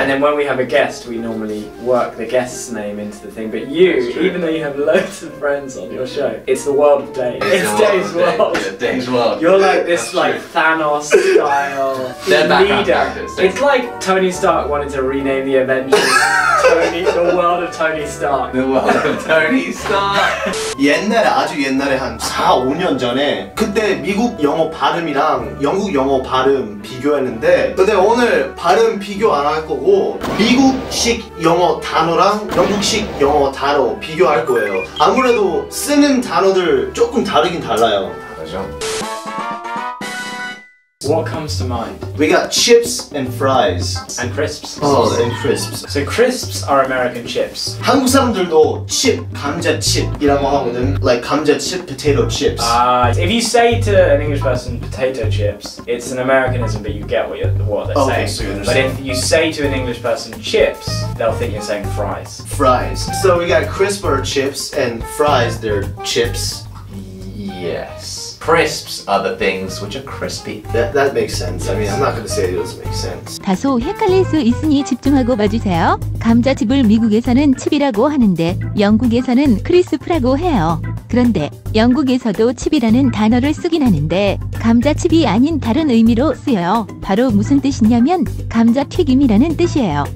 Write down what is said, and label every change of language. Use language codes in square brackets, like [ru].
[en] And then when we have a guest, we normally work the guest's name into the thing. But you, even though you have loads of friends on your show, it's the world of Dave. It's Dave's world. Yeah, Dave's world. You're like this, like, Thanos-style leader. It's like Tony Stark wanted to rename the Avengers. The world of Tony Stark. [ko] 옛날에 아주 옛날에 한 4, 5년 전에 그때 미국 영어 발음이랑 영국 영어 발음 비교했는데 근데 오늘 발음 비교 안 할 거고 미국식 영어 단어랑 영국식 영어 단어 비교할 거예요. 아무래도 쓰는 단어들 조금 다르긴 달라요. 다르죠. [en] What comes to mind? We got chips and fries. And crisps. Oh, and crisps. So crisps are American chips. [ko] 한국 사람들도 chip, 감자 chip이라고 하거든. [en] Like 감자 chip, potato chips. If you say to an English person potato chips, it's an Americanism, but you get what they're saying. Okay, so you understand. But if you say to an English person chips, they'll think you're saying fries. Fries. So we got crisps are chips and fries, they're chips. Yes. Crisps are the things which are crispy. That makes sense. Yes. I mean, I'm not going to say it doesn't make sense. [ko] 다소 헷갈릴 수 있으니 집중하고 봐주세요. 감자칩을 미국에서는 칩이라고 하는데 영국에서는 크리스프라고 해요. 그런데 영국에서도 칩이라는 단어를 쓰긴 하는데 감자칩이 아닌 다른 의미로 쓰여요. 바로 무슨 뜻이냐면 감자 튀김이라는 뜻이에요.